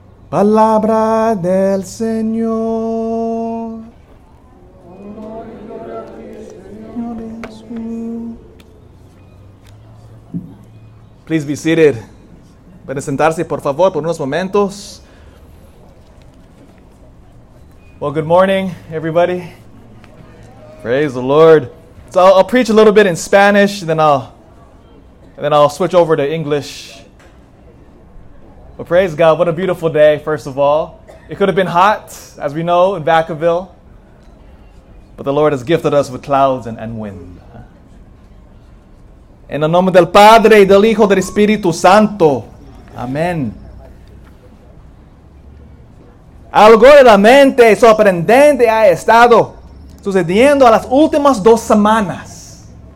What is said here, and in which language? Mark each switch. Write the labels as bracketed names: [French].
[Spanish] Palabra del Señor. [English] Please be seated. [Spanish] Pueden sentarse, por favor, por unos momentos. [English] Well, good morning, everybody. Praise the Lord. So I'll preach a little bit in Spanish, and then I'll switch over to English. But praise God, what a beautiful day, first of all. It could have been hot, as we know, in Vacaville. But the Lord has gifted us with clouds and wind. [Spanish] En el nombre del Padre, y del Hijo, del Espíritu Santo. Amén. Algo de la mente sorprendente ha estado sucediendo a las últimas dos semanas.